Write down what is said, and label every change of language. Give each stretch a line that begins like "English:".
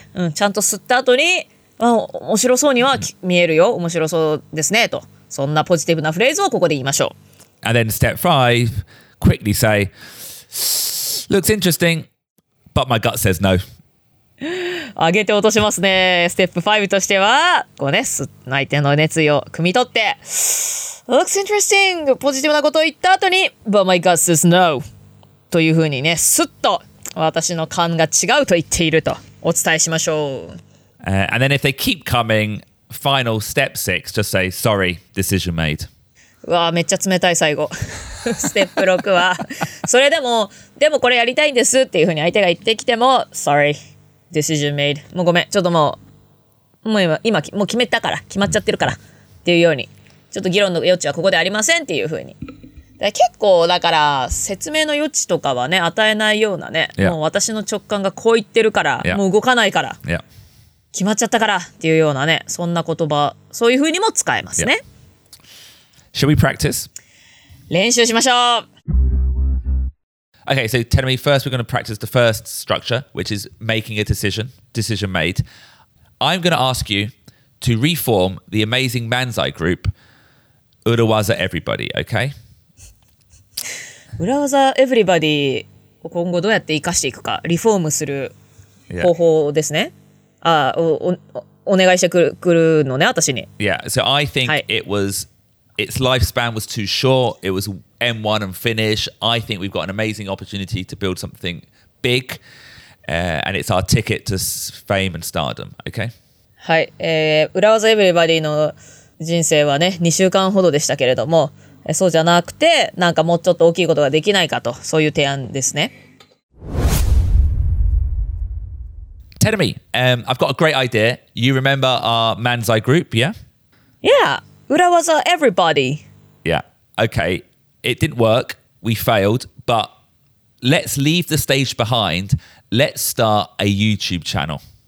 Japanese: うん、ちゃんと吸った後に、あ、面白そうには見えるよ。面白そうですね。と。そんなポジティブなフレーズをここで言いましょう。
English: And then step 5, quickly say, looks interesting, but my gut says no.
Japanese: 上げて落としますね。ステップ5としては、こうね、相手の熱意を汲み取って、
English: looks interesting,
Japanese: ポジティブなことを言った後に、
English: but my gut says no.
Japanese: というふうにね、すっと私の感が違うと言っているとお伝えしましょう。
English: And then if they keep coming, final step 6, just say, sorry, decision made.
Japanese: わあ、めっちゃ冷たい最後。ステップ6は。それでも、でもこれやりたいんですっていうふうに相手が言ってきても、
English: sorry, decision made.
Japanese: もうごめん、ちょっともう、もう 今もう決めたから、決まっちゃってるからっていうように、ちょっと議論の余地はここでありませんっていうふうに。だ結構、だから、説明の余地とかはね、与えないようなね、
English: yeah.
Japanese: もう私の直感がこう言ってるから、
English: yeah.
Japanese: もう動かないから、
English: yeah.
Japanese: 決まっちゃったからっていうようなね、そんな言葉、そういうふうにも使えますね。Yeah.
English: Shall we practice?
Japanese: 練習しましょう。
English: Okay, so tell me first, we're going to practice the first structure, which is making a decision, decision made. I'm going to ask you to reform the amazing Manzai group, Urawaza Everybody, okay?
Japanese: Urawaza Everybody を今後どうやって生かしていくか、リフォームする方法ですね。
English: Yeah.
Japanese: あ、お願いしてくるのね、私に。
English: Yeah, so I think、
Japanese: はい、
English: it wasIts lifespan was too short. It was M1 and finish. I think we've got an amazing opportunity to build something big.、and it's our ticket to fame and stardom. Okay?
Japanese: はい。 Urawaza Everybody の人生はね、2週間ほどでしたけれども、そうじゃなくて、なんかもうちょっと大きいことができないかと、そういう提案ですね。
English: Tell me,、I've got a great idea. You remember our Manzai group, yeah? Yeah. Urawaza Everybody. Yeah. Okay. It didn't work. We failed. But let's leave the stage behind. Let's start a YouTube channel.